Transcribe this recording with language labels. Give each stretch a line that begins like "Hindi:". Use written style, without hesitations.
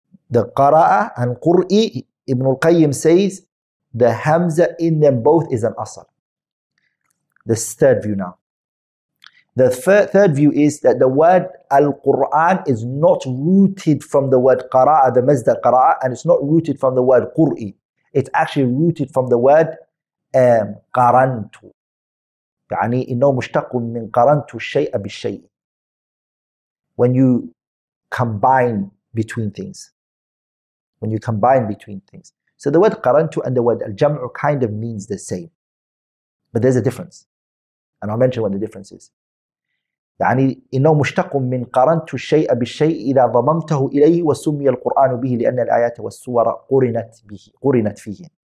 English: The qara'a and qur'i, Ibn al-Qayyim says, the hamza in them both is an asal. The third view now. The third view is that the word al-Qur'an is not rooted from the word qara'a, the mazda qara'a, and it's not rooted from the word qur'i. It's actually rooted from the word qarantu.
Arabic: يعني إنه مشتق من قرنتو الشيء بالشيء.
English: When you combine between things. When you combine between things. So the word qarantu and the word al-jam'u kind of means the same. But there's a difference. And I'll mention what the difference is.
Arabic: يعني إنه مشتق من قرنت الشيء بالشيء إذا ضممته إليه وسمي القرآن به لأن الآيات والسور قرنت به قرنت فيه.